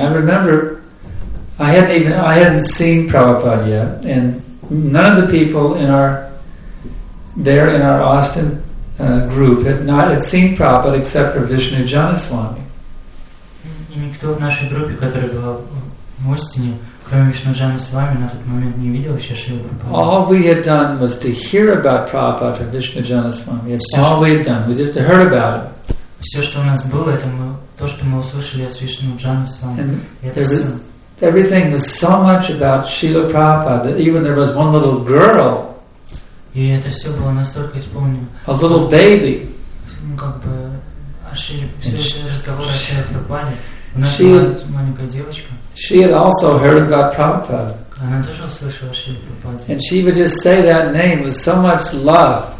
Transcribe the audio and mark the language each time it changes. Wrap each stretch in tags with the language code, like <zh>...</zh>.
<en>I remember I hadn't seen Prabhupada yet, and none of the people in our Austin group had seen Prabhupada except for Vishnu Janaswami.</en> <ru>И никто в нашей группе, которая была в Остине, кроме Вишну Джанасвами, на тот момент не видел еще Шрилу Прабхупаду.</ru> <en>All we had done was to hear about Prabhupada from Vishnu Janaswami. It's all we had done. We just heard about him.</en> <ru>Все, что у нас было, это мы, то, что мы услышали от Вишну Джану с вами.</ru> <en>Everything was so much about Srila Prabhupada that even there was one little girl.</en> <ru>И это все было настолько исполнено.</ru> <en>A little baby.</en> <ru>Как бы разговор о Шри Прабхупаде. У нас была маленькая девочка.</ru> <en>She had also heard about Prabhupada. And she would just say that name with so much love.</en>